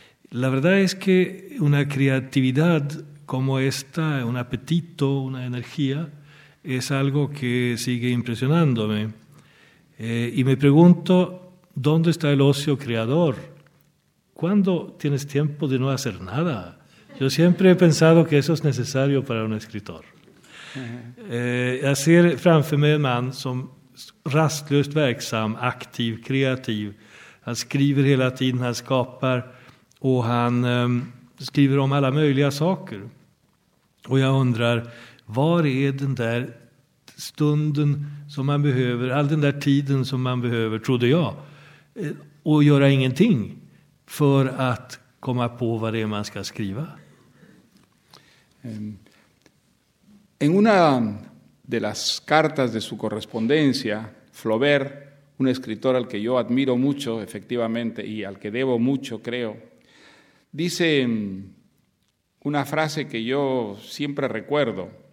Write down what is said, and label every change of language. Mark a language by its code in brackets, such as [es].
[es] La verdad es que una creatividad como esta, un apetito, una energía, es algo que sigue impresionándome. Y me pregunto, ¿dónde está el ocio creador? ¿Cuándo tienes tiempo de no hacer nada? Yo siempre he pensado que eso es necesario para un escritor. [sv] Jag ser framför mig en man som rastlöst verksam, aktiv, kreativ. Han skriver hela tiden, han skapar. Och han skriver om alla möjliga saker. Och jag undrar, var är den där stunden som man behöver, all den där tiden som man behöver, trodde jag, och göra ingenting för att komma på vad det är man ska skriva? [es] En una de las cartas de su correspondencia, Flaubert, un escritor al que yo admiro mucho, efectivamente, y al que debo mucho, creo, dice una frase que yo siempre recuerdo.